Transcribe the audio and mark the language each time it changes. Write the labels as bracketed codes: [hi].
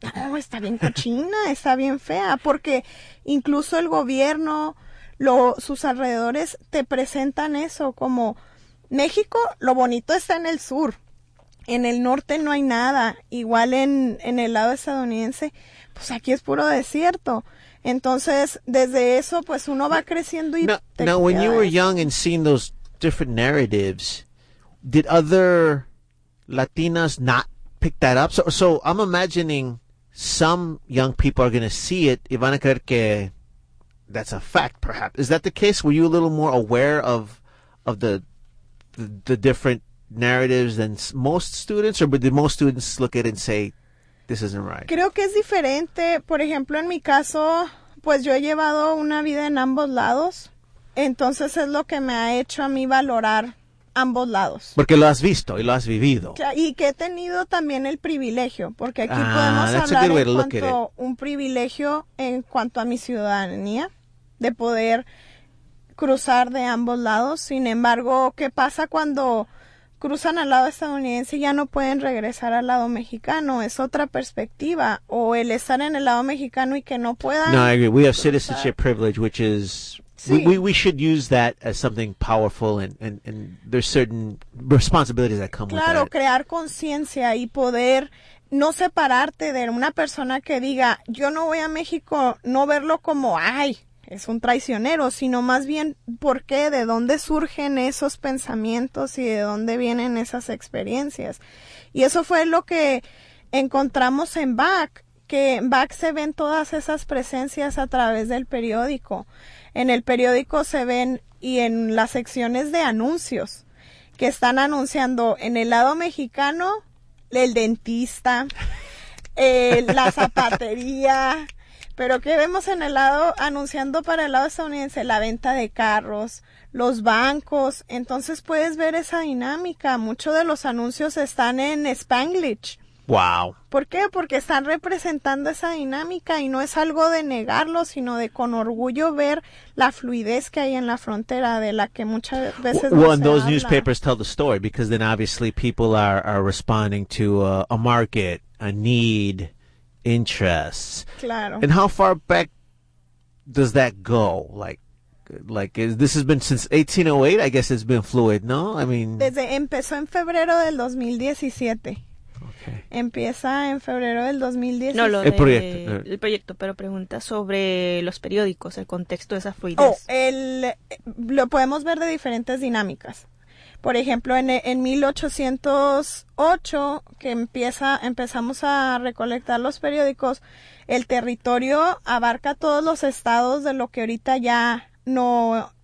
[es] No, está bien cochina, está bien fea, porque incluso el gobierno, sus alrededores te presentan eso como México, lo bonito está en el sur, en el norte no hay nada, igual en el lado estadounidense, pues aquí es puro desierto. Entonces, desde eso, pues uno va creciendo y... [en] Now, when you were young and seeing those different narratives, did other Latinas not pick that up? So I'm imagining some young people are going to see it [es] y van a creer que [en] that's a fact, perhaps. Is that the case? Were you a little more aware of the different narratives than most students? Or did most students look at it and say, this isn't right? [es] Creo que es diferente. Por ejemplo, en mi caso, pues yo he llevado una vida en ambos lados. Entonces es lo que me ha hecho a mí valorar ambos lados. Porque lo has visto y lo has vivido. Y que he tenido también el privilegio. Porque aquí podemos hablar en cuanto un privilegio en cuanto a mi ciudadanía. De poder cruzar de ambos lados. Sin embargo, ¿qué pasa cuando cruzan al lado estadounidense y ya no pueden regresar al lado mexicano? Es otra perspectiva. O el estar en el lado mexicano y que no puedan. [en] No, I agree. We have citizenship privilege, which is, sí. We should use that as something powerful, and there's certain responsibilities that come, [es] claro, [en] with that. [es] Claro, crear conciencia y poder no separarte de una persona que diga, yo no voy a México, no verlo como, ay, es un traicionero, sino más bien, ¿por qué? ¿De dónde surgen esos pensamientos y de dónde vienen esas experiencias? Y eso fue lo que encontramos en BAC, que en BAC se ven todas esas presencias a través del periódico. En el periódico se ven y en las secciones de anuncios que están anunciando en el lado mexicano, el dentista, la zapatería. Pero ¿qué vemos en el lado, anunciando para el lado estadounidense? La venta de carros, los bancos. Entonces puedes ver esa dinámica. Muchos de los anuncios están en Spanglish. [en] Wow. [es] ¿Por qué? Porque están representando esa dinámica y no es algo de negarlo, sino de con orgullo ver la fluidez que hay en la frontera, de la que muchas veces no se habla. [en] Well, and those newspapers tell the story, because then obviously people are responding to a market, a need, interests. [es] Claro. [en] And how far back does that go? Like is, this has been since 1808, I guess it's been fluid, no? I mean, [es] desde empezó en febrero del 2017. [en] Okay. [es] Empieza en febrero del 2010. No, el proyecto, pero pregunta sobre los periódicos, el contexto de esa fluidez. Oh, lo podemos ver de diferentes dinámicas. Por ejemplo, en 1808, que empezamos a recolectar los periódicos, el territorio abarca todos los estados de lo que ahorita ya no...